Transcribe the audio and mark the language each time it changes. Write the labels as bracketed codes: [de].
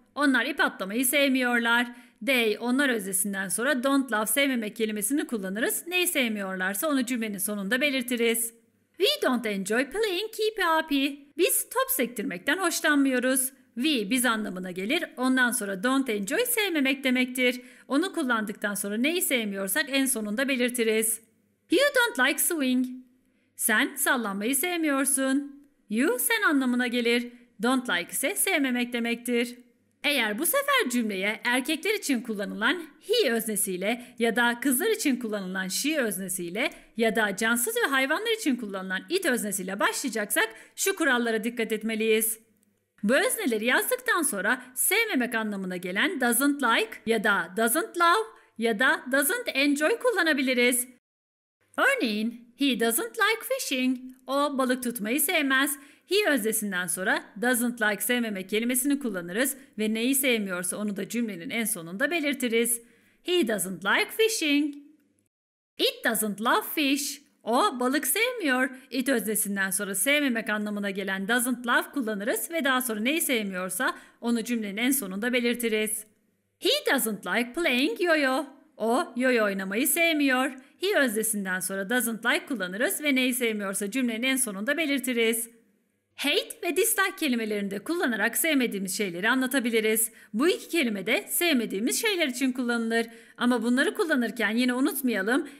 [tr] Onlar ip atlamayı sevmiyorlar. They, onlar öznesinden sonra [en] don't love [tr] sevmemek kelimesini kullanırız. Neyi sevmiyorlarsa onu cümlenin sonunda belirtiriz. [en] We don't enjoy playing keep happy. [tr] Biz top sektirmekten hoşlanmıyoruz. We, biz anlamına gelir. Ondan sonra [en] don't enjoy [tr] sevmemek demektir. Onu kullandıktan sonra neyi sevmiyorsak en sonunda belirtiriz. [en] You don't like swing. [tr] Sen sallanmayı sevmiyorsun. You, sen anlamına gelir. [en] Don't like [tr] ise sevmemek demektir. Eğer bu sefer cümleye erkekler için kullanılan he öznesiyle ya da kızlar için kullanılan she öznesiyle ya da cansız ve hayvanlar için kullanılan it öznesiyle başlayacaksak şu kurallara dikkat etmeliyiz. Bu özneleri yazdıktan sonra sevmemek anlamına gelen [en] doesn't like [tr] ya da [en] doesn't love [tr] ya da [en] doesn't enjoy [tr] kullanabiliriz. Örneğin, [en] he doesn't like fishing. [tr] O balık tutmayı sevmez. He öznesinden sonra [en] doesn't like [tr] sevmemek kelimesini kullanırız ve neyi sevmiyorsa onu da cümlenin en sonunda belirtiriz. [en] He doesn't like fishing. It doesn't love fish. [tr] O balık sevmiyor. It öznesinden sonra sevmemek anlamına gelen [en] doesn't love [tr] kullanırız ve daha sonra neyi sevmiyorsa onu cümlenin en sonunda belirtiriz. [en] He doesn't like playing yo-yo. [tr] O yo-yo oynamayı sevmiyor. He öznesinden sonra [en] doesn't like [tr] kullanırız ve neyi sevmiyorsa cümlenin en sonunda belirtiriz. Hate ve dislike kelimelerinde kullanarak sevmediğimiz şeyleri anlatabiliriz. Bu iki kelime de sevmediğimiz şeyler için kullanılır. Ama bunları kullanırken yine unutmayalım.